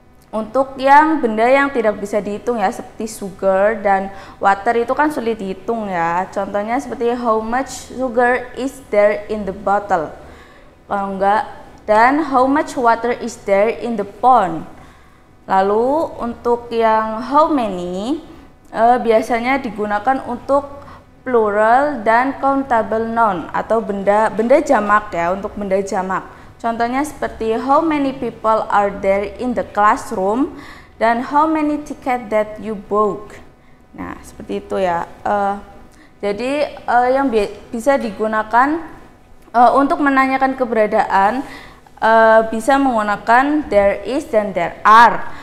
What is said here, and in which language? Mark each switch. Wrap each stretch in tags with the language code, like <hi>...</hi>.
<id>Untuk yang benda yang tidak bisa dihitung ya, seperti sugar dan water itu kan sulit dihitung ya. Contohnya seperti</id> <en>how much sugar is there in the bottle?</en> <id>Kalau enggak, dan</id> <en>how much water is there in the pond?</en> <id>Lalu untuk yang how many biasanya digunakan untuk plural dan countable noun atau benda jamak ya, untuk benda jamak. Contohnya seperti</id> <en>how many people are there in the classroom dan how many ticket that you bought.</en> <id>Nah, seperti itu ya. Jadi yang bisa digunakan untuk menanyakan keberadaan bisa menggunakan there is dan there are.</id>